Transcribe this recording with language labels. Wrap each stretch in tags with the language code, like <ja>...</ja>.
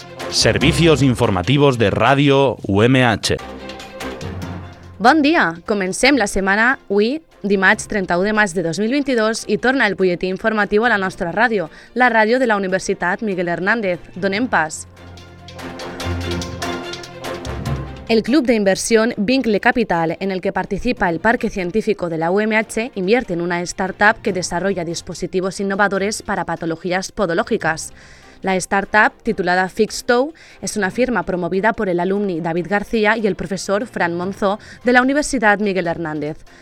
<es>Servicios informativos de Radio UMH.</es> <ca>Bon dia! Comencem la setmana avui, dimarts 31 de maig de 2022, i torna el butlletí informatiu a la nostra ràdio, la ràdio de la Universitat Miguel Hernández. Donem pas.</ca> <es>El club de inversión Vincle Capital, en el que participa el Parque Científico de la UMH, invierte en una startup que desarrolla dispositivos innovadores para patologías podológicas. La startup, titulada Fixtoe, es una firma promovida por el alumni David García y el profesor Fran Monzó de la Universidad Miguel Hernández.</es>